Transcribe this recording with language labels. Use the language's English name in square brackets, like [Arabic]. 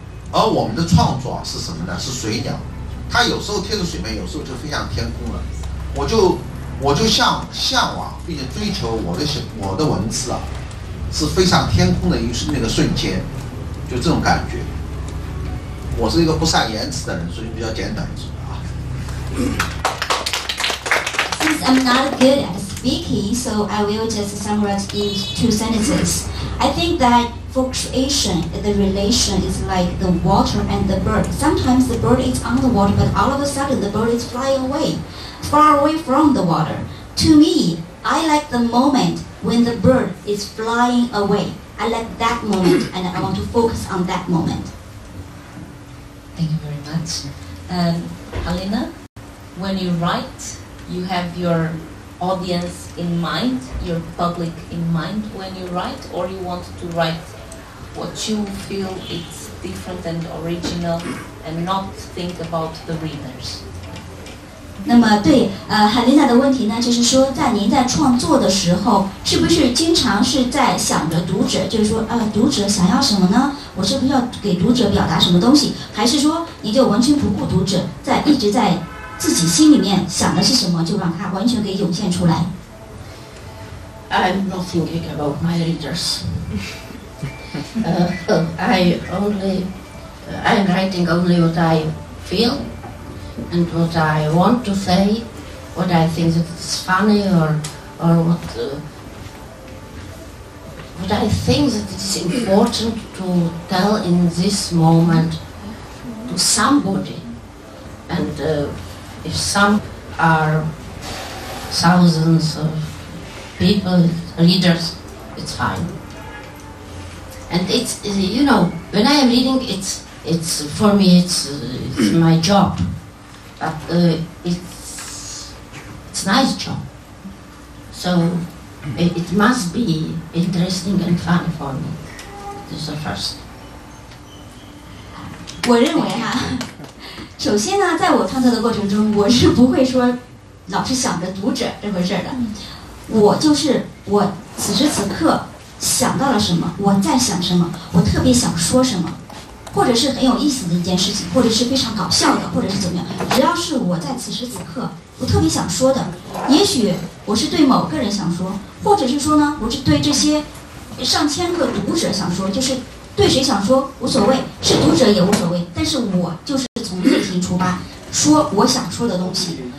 [Chinese] 而我们的创作是什么呢？是水鸟，它有时候贴着水面，有时候就飞向天空了。我就向往并且追求我的文字啊，是飞上天空的那个瞬间，就这种感觉。我是一个不善言辞的人，所以比较简短一点啊。 [English] Since I'm not good at speaking, so I will just summarize in two sentences. I think that. Fluctuation, the relation is like the water and the bird. Sometimes the bird is on the water, but all of a sudden the bird is flying away, far away from the water. To me, I like the moment when the bird is flying away. I like that moment, and I want to focus on that moment. Thank you very much. Halina, when you write, you have your... audience in mind, your public in mind when you write, or you want to write what you feel it's different and original and not think about the readers. [Chinese] 那么对海琳娜的问题呢，就是说在您在创作的时候是不是经常是在想着读者，就是说读者想要什么呢，我是不是要给读者表达什么东西，还是说你就完全不顾读者，在一直在自己心里面想的是什么，就让它完全给涌现出来。 [English] I'm not thinking about my readers. I'm writing only what I feel and what I want to say, what I think is funny or what what I think that it's important to tell in this moment to somebody. And if some are thousands of people, readers, it's fine. And it's, you know, when I am reading, it's for me, it's my job. But it's nice job. So it must be interesting and fun for me. This is the first. [Chinese] 我认为啊，首先呢，在我创作的过程中，我是不会说老是想着读者这回事的。我就是我此时此刻想到了什么，我在想什么，我特别想说什么，或者是很有意思的一件事情，或者是非常搞笑的，或者是怎么样，只要是我在此时此刻我特别想说的，也许我是对某个人想说，或者是说呢，我是对这些上千个读者想说，就是对谁想说无所谓，是读者也无所谓，但是我就是从内心出发说我想说的东西。